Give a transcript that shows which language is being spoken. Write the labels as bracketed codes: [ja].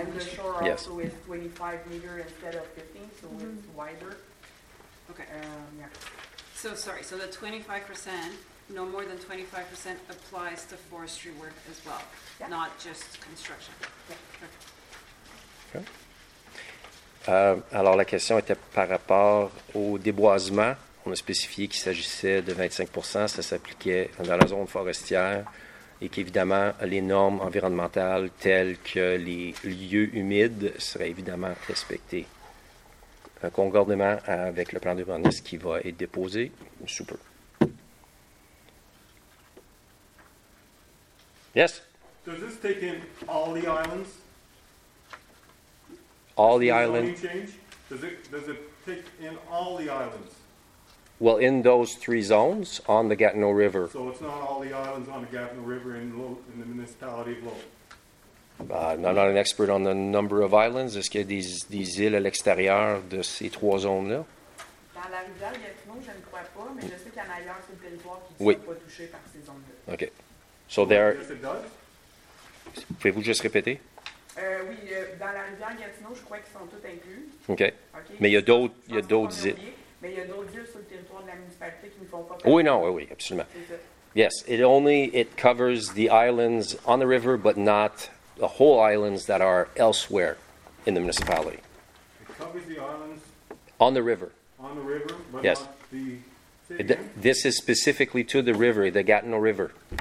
[en] And the shore also is 25 meters instead of 15, so it's wider. Okay. Yeah. So sorry, so the 25%, no more than 25% applies to forestry work as well, not just construction. Yeah. Okay. [fr] Alors la question était par rapport au déboisement. On a spécifié qu'il s'agissait de 25%, ça s'appliquait dans la zone forestière et qu'évidemment les normes environnementales telles que les lieux humides seraient évidemment respectées. Un concordement avec le plan d'urbanisme qui va être déposé sous peu. [en] Yes? Does this take in all the islands? All the islands? Does it take in all the islands? Well, in those three zones on the Gatineau River. So it's not all the islands on the Gatineau River in the municipality of Lowell? I'm not an expert on the number of islands. [fr] Est-ce qu'il y a des îles à l'extérieur de ces trois zones-là? Dans la rivière Gatineau, je ne crois pas, mais je sais qu'il y en a ailleurs sur le territoire qui ne sont pas touchés par ces zones-là. [en] OK. So there are... Yes, it does. [fr] Pouvez-vous juste répéter? Oui, dans la rivière Gatineau, je crois qu'ils sont tous inclus. OK. Mais il y a d'autres îles. Mais il y a d'autres îles sur le territoire de la municipalité qui ne font pas partie. Oui, non, oui, absolument. [en] Yes, it covers the islands on the river, but not the whole islands that are elsewhere in the municipality. It covers the islands? On the river. On the river, but yes. Not the city? This is specifically to the river, the Gatineau River.